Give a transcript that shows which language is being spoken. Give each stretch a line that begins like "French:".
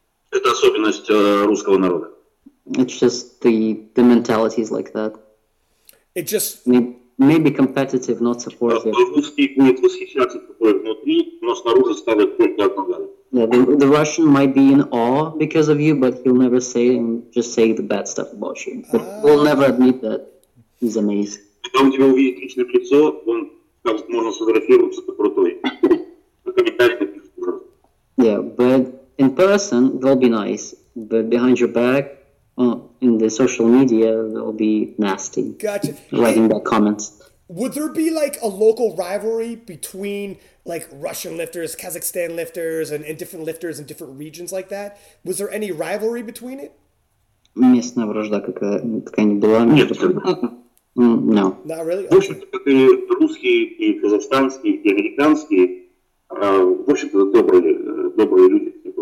Russian: Это особенность русского народа.
English: It's just the mentality is like that. It just maybe competitive, not supportive.
Russian: Русский будет восхищаться тобой внутри, но снаружи ставит только одно галочку.
English: Yeah, the Russian might be in awe because of you, but he'll never say and just say the bad stuff about you. But he'll never admit that he's amazing.
Russian: Когда он тебя увидит личное лицо, он скажет, можно сфотографироваться, ты крутой. А комментарий напишет.
English: Yeah, but in person, they'll be nice, but behind your back, in the social media, they'll be nasty. Gotcha. Writing bad comments. Would there be like a local rivalry between like Russian lifters, Kazakhstan lifters, and different lifters in different regions like that? Was there any rivalry between it?
Russian: Местная вражда какая-нибудь была? Нет.
English: No. Not really?
Russian: В общем-то, как и русские, и казахстанские, и американские, в общем-то, добрые люди.